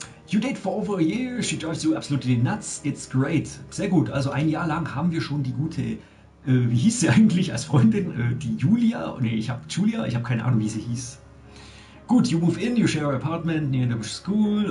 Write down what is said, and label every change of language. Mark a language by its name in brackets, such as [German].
[English] You date for over a year, she drives you absolutely nuts. It's great. [German] Sehr gut. Also ein Jahr lang haben wir schon die gute, wie hieß sie eigentlich als Freundin? Die Julia? Nee, ich habe Julia, ich habe keine Ahnung, wie sie hieß. [English] Gut, you move in, you share an apartment near the school.